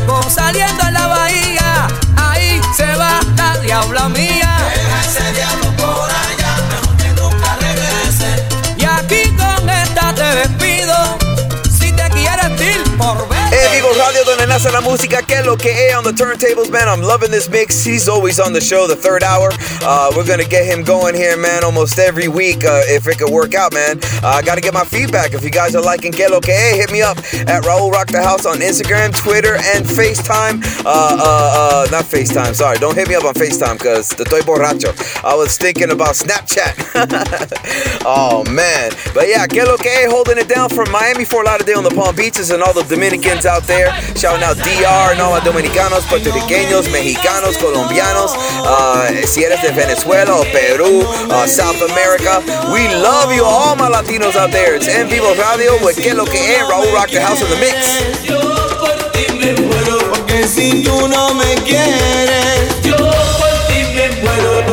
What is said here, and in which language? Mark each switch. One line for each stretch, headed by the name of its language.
Spanish: Saliendo en la bahía, ahí se va la diabla mía. Deja ese diablo por allá, aunque nunca regrese. Y aquí con esta te despido, si te quieres ir por ver.
English: Hey, Vivo Radio,
Spanish: donde nace la música,
English: que es lo que es on the turntables, man. I'm loving this mix. He's always on the show, the third hour. We're going to get him going here, man, almost every week, if it could work out, man. I got to get my feedback. If you guys are liking que lo que es, hit me up at RaulRocdahouse on Instagram, Twitter, and FaceTime. Not FaceTime, sorry. Don't hit me up on FaceTime because
Spanish: estoy borracho.
English: I was thinking about Snapchat. Oh, man. But yeah, que lo que es, holding it down from Miami, Fort Lauderdale on the Palm Beaches and all the Dominicans out there. Shouting out DR and all my Dominicanos, Puerto Riqueños, Mexicanos, Colombianos.
Spanish: Si eres de Venezuela, Peru, South America.
English: We love you, all my Latinos out there. It's En Vivo Radio with Que Lo Que Es, Raul Rock the House of the Mix.
Spanish: Yo por ti me muero, porque si tú no me quieres, yo por ti me muero.